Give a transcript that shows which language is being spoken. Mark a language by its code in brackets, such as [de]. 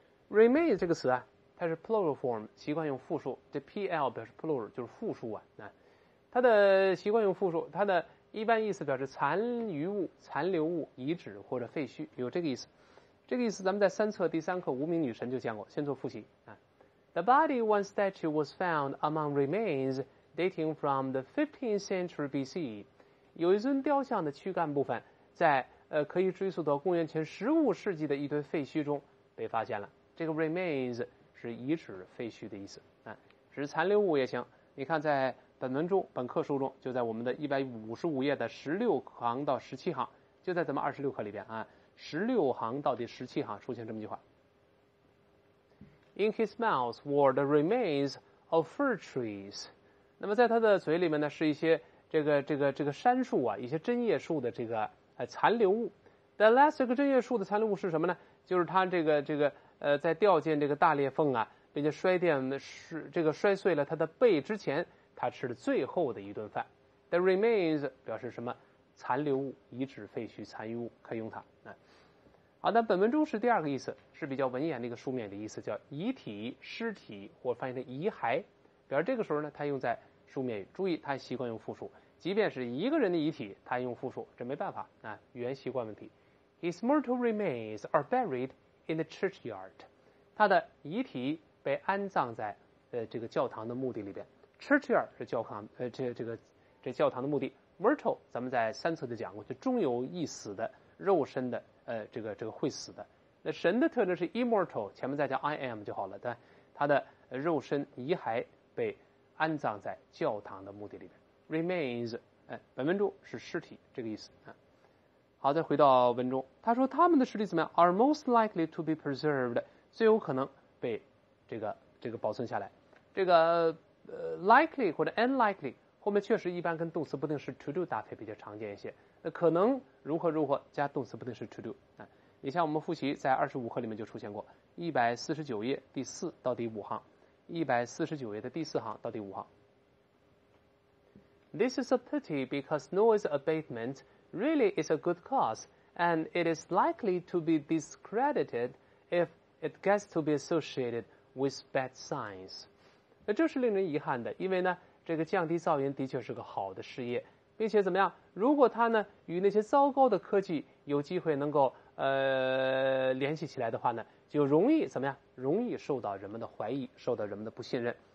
[zh] remain 这个词啊，它是 plural form， 习惯用复数，这 pl 表示 plural 就是复数啊。它的习惯用复数，它的一般意思表示残余物、残留物、遗址或者废墟，有这个意思。这个意思咱们在三册第三课无名女神就讲过，先做复习啊。 [en] The body of one statue was found among remains dating from the 15th century BC. [zh] 有一尊雕像的躯干部分在可以追溯到公元前15世纪的一堆废墟中被发现了。这个 remains 是遗址、废墟的意思啊，是残留物也行。你看在本文中、本课书中，就在我们的155页的16行到17行，就在咱们26课里边啊，16行到第17行出现这么一句话。 [en] In his mouth were the remains of fir trees. [zh] 那么在他的嘴里面呢，是一些这个杉树啊，一些针叶树的这个残留物。 [en] The last [zh] 这个针叶树的残留物是什么呢？就是他这个在掉进这个大裂缝啊，并且摔碎了他的背之前，他吃的最后的一顿饭。 The remains 表示什么？残留物、遗址、废墟、残余物，可以用它。好，那本文中是第二个意思，是比较文言的一个书面的意思，叫遗体、尸体，或翻译成遗骸。表示这个时候呢，它用在书面语，注意它习惯用复数，即便是一个人的遗体，它用复数，这没办法啊，语言习惯问题。 [en] His mortal remains are buried in the churchyard. [zh] 他的遗体被安葬在这个教堂的墓地里边。 Churchyard 是教堂这教堂的墓地。Mortal 咱们在三册就讲过，就终有一死的肉身的。这个会死的，那神的特征是 immortal， 前面再加 I am 就好了，对，他的肉身遗骸被安葬在教堂的墓地里面。 remains， 本文中是尸体这个意思啊。好，再回到文中，他说他们的尸体怎么样？ [en] Are most likely to be preserved， [zh] 最有可能被这个保存下来。这个likely 或者 unlikely 后面确实一般跟动词不定式 to do 搭配比较常见一些。那可能如何如何加动词不定式 to do 啊？你像我们复习在25课里面就出现过，149页第4到第5行，149页的第4行到第5行。 [en] This is a pity because noise abatement really is a good cause, and it is likely to be discredited if it gets to be associated with bad signs. [zh] 那这是令人遗憾的，因为呢，这个降低噪音的确是个好的事业。并且怎么样，如果它呢与那些糟糕的科技有机会能够联系起来的话呢，就容易怎么样，容易受到人们的怀疑，受到人们的不信任。